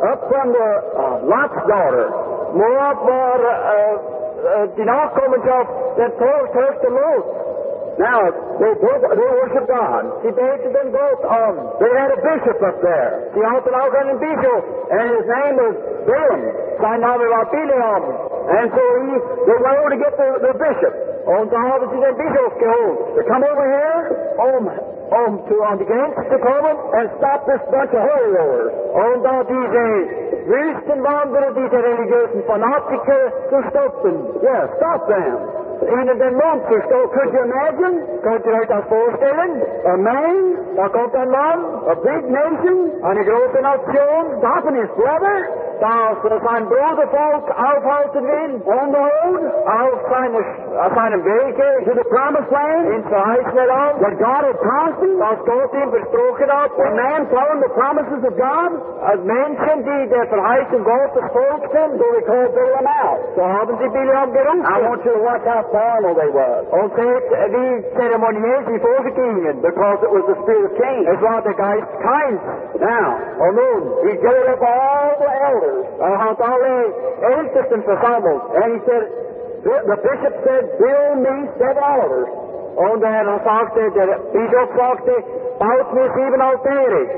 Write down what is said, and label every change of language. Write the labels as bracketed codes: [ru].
[en] up from the Lot's daughter. [de] Moab war die Nachkommenschaft der Töchter Lot. [en] Now, they worship God. [de] Sie beteten den Gott an. [en] They had a bishop up there. [de] Sie hatten auch einen Bischof. [en] And his name was Balaam. [de] Sein Name war Balaam. [en] And so they were able to get the bishop. [de] Und da haben sie den Bischof geholt. [en] To come over here, on the gates to come and stop this bunch of holy rollers. [de] Und da diese Wüstenwanderer, diese religiösen Fanatiker, zu stoppen. [en] Yeah, stop them. [de] In den Mund zu stoppen. [en] Could you imagine? [de] Könnt ihr euch das vorstellen? [en] A man, [de] da kommt ein Mann, [en] a big nation, [de] eine große Nation, [en] stopping his brother, [de] dass sein Brudervolk aufhalten will, [en] on the road, [de] auf seinem Wege, [en] to the promised land, [de] ins verheißene Land, [en] that God had promised him, [de] dass Gott ihm versprochen hat, [en] a man following the promises of God, [de] als Menschen, die der Verheißung Gottes folgten, [en] so we call Balaam out. [de] So haben sie Balaam gerufen. [en] I want you to watch how formal they were. [de] Und die Zeremonien, sie vorgingen, [en] because it was the spirit of Cain. [de] Es war der Geist Kains. [en] Now, on moon, he gathered up all the elders. [de] Er hat alle Ältesten versammelt. [en] And he said, the bishop said, build me 7 altars. [de] Und der Bischof sagte, baut mir 7 Altäre.